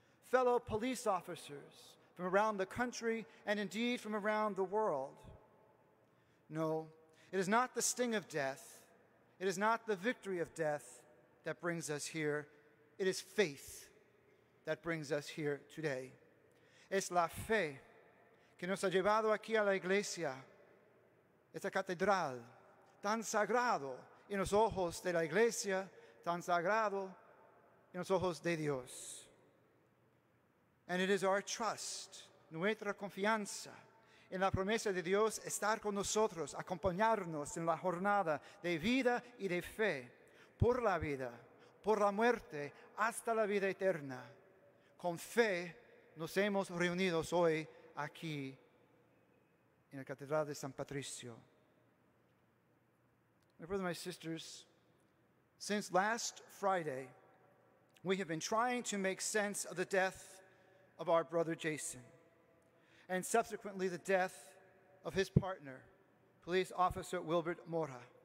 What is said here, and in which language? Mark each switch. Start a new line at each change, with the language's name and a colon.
English: fellow police officers from around the country and indeed from around the world. No, it is not the sting of death, it is not the victory of death that brings us here, it is faith that brings us here today.
Spanish: Es la fe que nos ha llevado aquí a la iglesia, esta catedral, tan sagrado en los ojos de la iglesia, tan sagrado en los ojos de Dios.
English: And it is our trust,
Spanish: nuestra confianza, en la promesa de Dios estar con nosotros, acompañarnos en la jornada de vida y de fe, por la vida, por la muerte, hasta la vida eterna. Con fe nos hemos reunido hoy aquí en la Catedral de San Patricio.
English: My brothers and my sisters, since last Friday, we have been trying to make sense of the death of our brother Jason, and subsequently the death of his partner, Police Officer Wilbert Mora.